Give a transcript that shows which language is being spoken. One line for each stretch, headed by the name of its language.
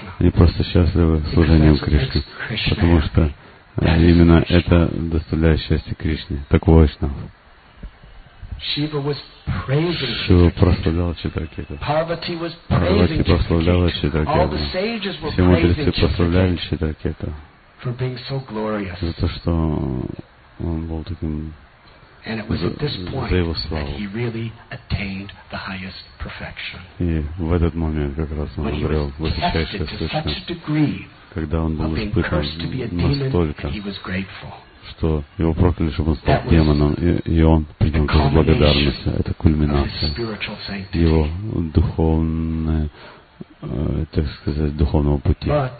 Russian: Они просто счастливы служением Кришне. Потому что именно это доставляет счастье Кришне. Так важно.
English: Shiva was praising
Russian: Shiva прославлял Читракету.
English: Parvati was praising
Russian: прославляла Читракету.
English: All the sages were praising
Russian: Читракету. Все мудрецы прославляли Читракету.
English: For being so glorious.
Russian: За то, что он был таким.
English: And it was at this point that he really attained the highest perfection.
Russian: И в этот момент как раз он обрел высочайшее свершение. Когда он был испытан настолько,
English: he was grateful.
Russian: Что его прокляли, чтобы он стал демоном, и он принял как благодарность. Это кульминация его духовной, так сказать, духовного пути.